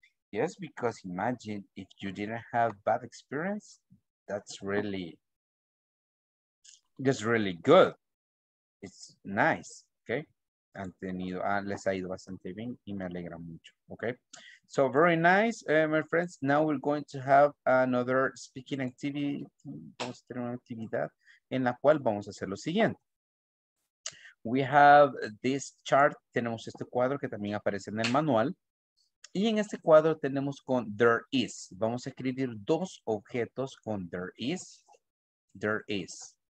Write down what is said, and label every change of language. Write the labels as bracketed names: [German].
[English] Yes, because imagine if you didn't have bad experience, that's really good. It's nice, okay? [Spanish] Les ha ido bastante bien y me alegra mucho, okay? [English] So very nice, my friends. Now we're going to have another speaking activity. [Spanish] Vamos a tener una actividad en la cual vamos a hacer lo siguiente. [English] We have this chart. [Spanish] Tenemos este cuadro que también aparece en el manual. Y en este cuadro tenemos con there is. Vamos a escribir dos objetos con there is. There is.